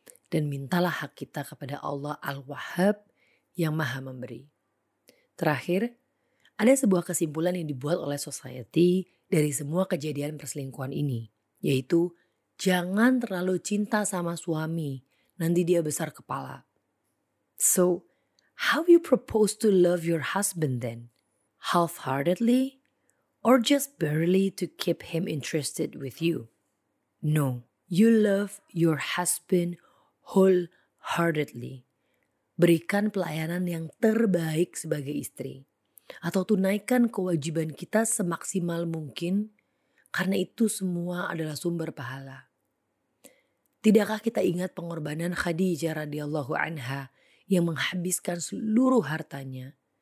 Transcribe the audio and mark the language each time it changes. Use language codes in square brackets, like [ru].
[id] Dan mintalah hak kita kepada Allah Al-Wahhab yang Maha Memberi. Terakhir, ada sebuah kesimpulan yang dibuat oleh society dari semua kejadian perselingkuhan ini, yaitu jangan terlalu cinta sama suami, nanti dia besar kepala. [en] So, how you propose to love your husband then? Half-heartedly or just barely to keep him interested with you? No, you love your husband wholeheartedly. [id] Berikan pelayanan yang terbaik sebagai istri. Atau tunaikan kewajiban kita semaksimal mungkin, karena itu semua adalah sumber pahala. Tidakkah kita ingat pengorbanan Khadijah radhiyallahu anha yang menghabiskan seluruh hartanya?